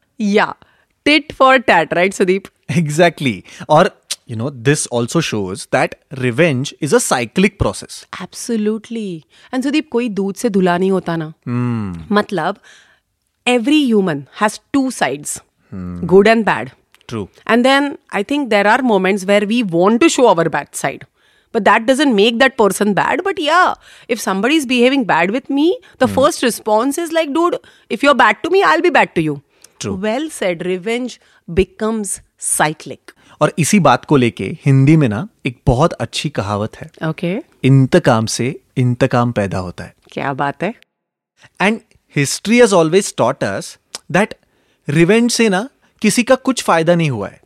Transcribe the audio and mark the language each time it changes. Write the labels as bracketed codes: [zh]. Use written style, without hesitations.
[en] Yeah tit for tat. Right Sudeep. Exactly. और you know, this also shows that revenge is a cyclic process. Absolutely. And Sudeep, [hi] कोई दूध से धुला नहीं होता ना. [en] मतलब every human has two sides, good and bad. True. And then I think there are moments where we want to show our bad side, but that doesn't make that person bad. But yeah, if somebody is behaving bad with me, the first response is like, dude, if you're bad to me, I'll be bad to you. True. Well said. Revenge becomes cyclic. [hi] और इसी बात को लेके हिंदी में ना एक बहुत अच्छी कहावत है. [en] Okay. [hi] इंतकाम से इंतकाम पैदा होता है. क्या बात है. [en] And history has always taught us that revenge [hi] से ना किसी का कुछ फायदा नहीं हुआ है.